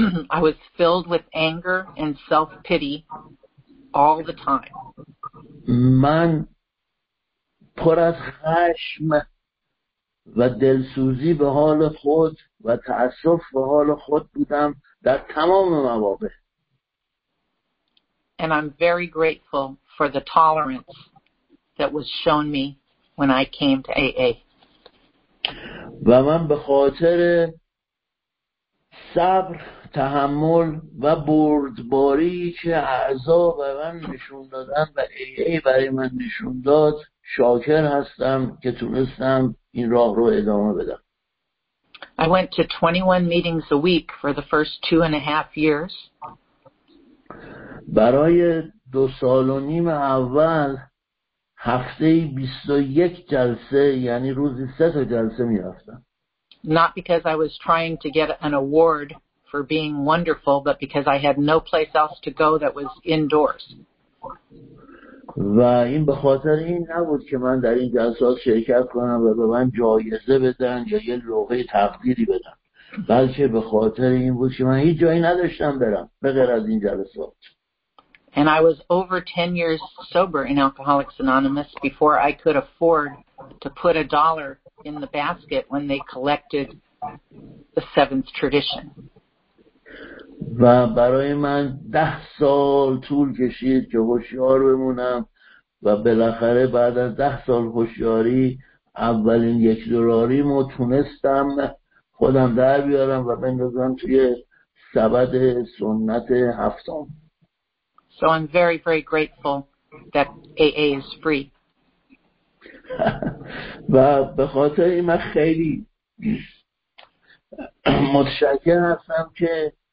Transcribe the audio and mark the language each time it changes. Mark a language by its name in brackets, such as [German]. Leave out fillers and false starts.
[English] I was filled with anger and self-pity all the time. [Persian] من پر از خشم و دلسوزی به حال خود و تأسف به حال خود بودم در تمام مواقع. [English] And I'm very grateful for the tolerance that was shown me when I came to AA. [Persian] و من به خاطر صبر، تحمل و بردباری که اعضا برای من نشون دادن و AA برای من نشون داد شاکر هستم که تونستم این راه رو ادامه بدم. [English] I went to 21 meetings a week for the first 2.5 years. [Persian] برای 2.5 سال اول هفته 21 جلسه، یعنی روزی 3 تا جلسه می رفتم. [English] Not because I was trying to get an award for being wonderful, but because I had no place else to go that was indoors. [Persian] و این به خاطر این نبود که من در این جلسات شرکت کنم و به من جایزه بدن یا یه لوحه تقدیری بدن، بلکه به خاطر این بود که من هیچ جایی نداشتم برم به غیر از این جلسات. [English] And I was over 10 years sober in Alcoholics Anonymous before I could afford to put a dollar in the basket when they collected the seventh tradition. [Persian] و برای من 10 سال طول کشید که هوشیار بمونم و بالاخره بعد از 10 سال هوشیاری اولین 1 دلاریمو تونستم خودم در بیارم و بندازم توی سبد سنت هفتم. [English] So I'm very very grateful that AA is free. [Persian] و به خاطر این من خیلی متشکر هستم که